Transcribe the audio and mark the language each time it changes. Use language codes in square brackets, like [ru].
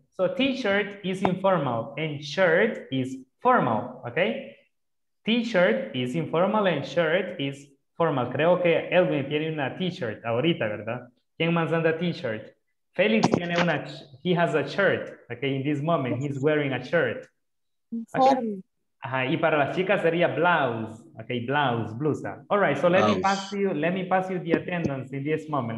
[en] So t-shirt is informal and shirt is formal, okay? T-shirt is informal and shirt is formal. [es] Creo que Edwin tiene una t-shirt ahorita, ¿verdad? ¿Quién más anda t-shirt? Félix tiene una, [en] he has a shirt, [es] okay? [en] In this moment, he's wearing a shirt. Okay. [es] Ajá, y para las chicas sería blouse, okay? [en] Blouse, blusa. All right, so let me pass you the attendance in this moment.